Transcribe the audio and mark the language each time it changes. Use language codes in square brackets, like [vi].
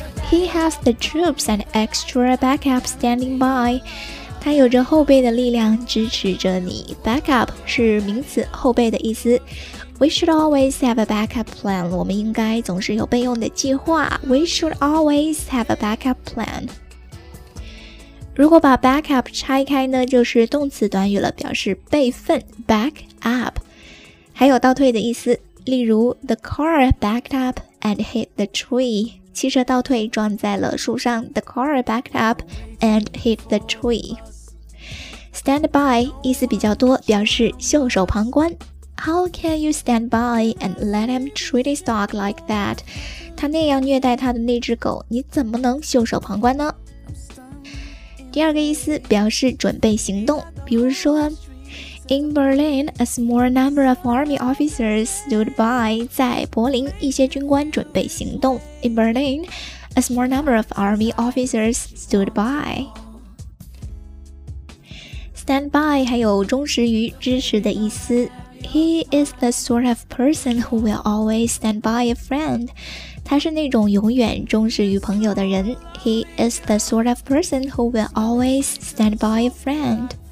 [en] He has the troops and extra backup standing by. [zh] 他有着后备的力量支持着你。 [en] Backup [zh] 是名词，后备的意思。 [en] We should always have a backup plan. [zh] 我们应该总是有备用的计划。 [en] We should always have a backup plan. [zh] 如果把 backup 拆开呢，就是动词短语了，表示备份 back up， 还有倒退的意思。例如 [en] ，The car backed up and hit the tree. [zh] 汽车倒退撞在了树上。 [en] The car backed up and hit the tree. [zh] Stand by 意思比较多，表示袖手旁观。 [en] How can you stand by and let him treat his dog like that? [zh] 他那样虐待他的那只狗，你怎么能袖手旁观呢？第二个意思表示准备行动，比如说 [en] In Berlin, a small number of army officers stood by. [zh] 在柏林，一些军官准备行动。 [en] In Berlin, a small number of army officers stood by. [zh] Stand by 还有忠实于支持的意思。 [en] He is the sort of person who will always stand by a friend. [zh] 他是那种永远忠实于朋友的人。 [en] He is the sort of person who will always stand by a friend.